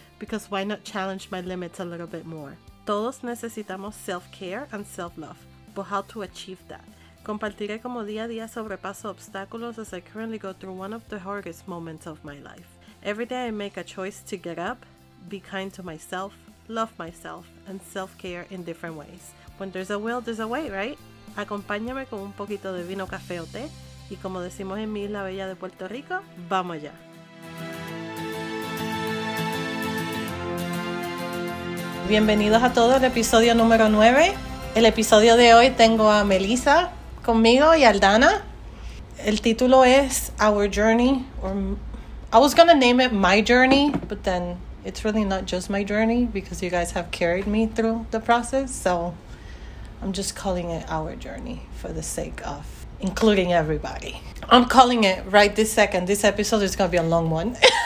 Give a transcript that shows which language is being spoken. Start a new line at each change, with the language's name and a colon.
English: Because why not challenge my limits a little bit more?
Spanish: Todos necesitamos
English: self-care and self-love, but how to achieve that?
Spanish: Compartiré como día a día sobrepaso obstáculos
English: as I currently go through one of the hardest moments of my life. Every day I make a choice to get up, be kind to myself, love myself, and self-care in different ways. When there's a will, there's a way, right?
Spanish: Acompáñame con un poquito de vino, café o té. Y como decimos en mi isla bella de Puerto Rico, ¡vamos allá! Bienvenidos a todos al episodio número 9. El episodio de hoy tengo a Melissa conmigo y a Aldana. El título es Our Journey.
English: Or I was going to name it My Journey, but then it's really not just my journey because you guys have carried me through the process, so I'm just calling it our journey for the sake of including everybody. I'm calling it right this second. This episode is going to be a long one.